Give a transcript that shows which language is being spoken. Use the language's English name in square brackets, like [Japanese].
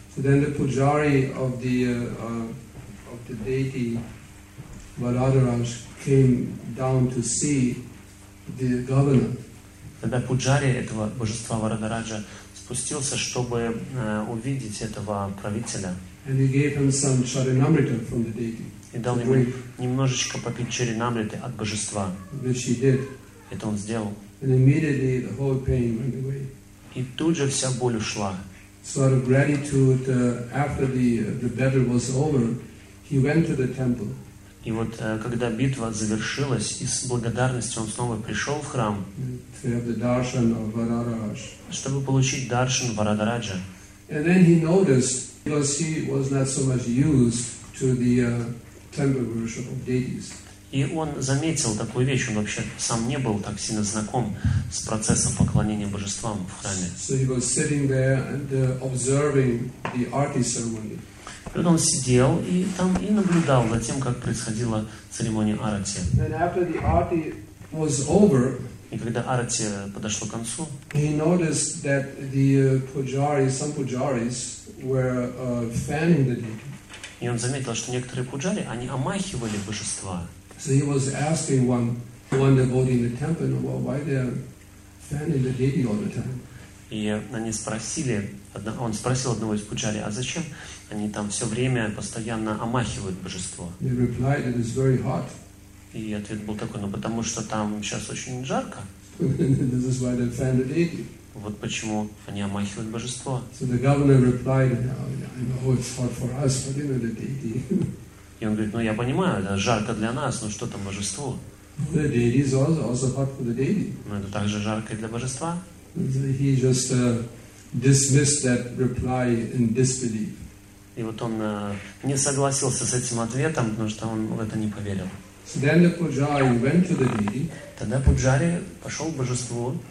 [English] So then the pujari of the deity Varadaraj came down to see the governor. [Russian] Тогда пуджари этого божества Варадараджа спустился, чтобы увидеть этого правителя. [English] And he gave him some charinamrita from the deity. [Russian] И дал ему немножечко попить чаринамриты от божества. [English] Which he did. [Russian] Это он сделал. [English] And immediately the whole pain went away. [Russian] И тут же вся боль ушла. [English] So out of gratitude, after the battle was over, he went to the temple. [Russian] И вот когда битва завершилась, и с благодарностью он снова пришел в храм, [English] to have the darshan of Varadaraj. [Russian] Чтобы получить даршан Варадараджа. [English] And then he noticed, because he was not so much used to the temple worship of deities. [Russian] И он заметил такую вещь, он вообще сам не был так сильно знаком с процессом поклонения божествам в храме. [English] So he was sitting there and observing the arti ceremony. [Russian] И вот он сидел и там и наблюдал за тем, как происходила церемония арати. [English] And after the arti was over, [Russian] и когда арати подошло к концу, [English] he noticed that the pujaris, some pujaris were fanning the deity. [Russian] И он заметил, что некоторые пуджари, они омахивали божества. [English] So he was asking one devotee in the temple, well, why they're fanning the deity all the time. [Russian] И они спросили, он спросил одного из пуджари, а зачем они там все время постоянно омахивают божество? [English] They replied, it is very hot. [Russian] И ответ был такой, ну потому что там сейчас очень жарко. [English] This is why they fanned the deity. [Russian] Вот почему они омахивают божество. [English] So the governor replied, I know it's hot for us, but you know the deity. [Russian] И он говорит, ну я понимаю, это жарко для нас, но что там божество? [English] The deity is also hot for the deity. [Russian] Но это также жарко и для божества. [English] He just dismissed that reply in disbelief. [Russian] И вот он не согласился с этим ответом, потому что он в это не поверил. [English] So then the pujari went to the deity. [Russian] Тогда пуджари пошел к божеству.